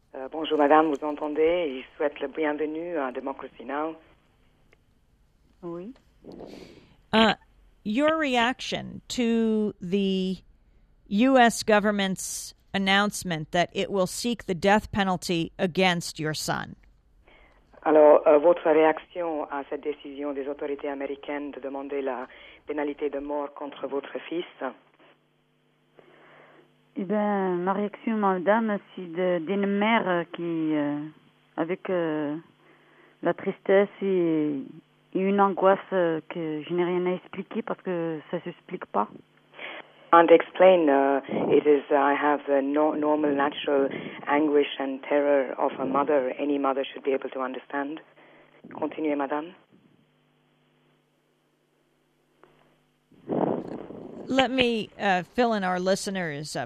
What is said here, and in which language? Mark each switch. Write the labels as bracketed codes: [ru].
[fr] Bonjour, madame, vous entendez? Je souhaite la bienvenue à Democracy Now! Oui. [en] Your reaction to the U.S. government's announcement that it will seek the death penalty against your son? [fr] Alors, votre réaction à cette décision des autorités américaines de demander la pénalité de mort contre votre fils? Eh bien, ma réaction, madame, c'est d'une mère qui, avec la tristesse et une angoisse que je n'ai rien à expliquer parce que ça ne s'explique pas. [en] And explain, it is, I have the normal, natural anguish and terror of a mother. Any mother should be able to understand. [fr] Continuez, madame. [en] Let me fill in our listeners.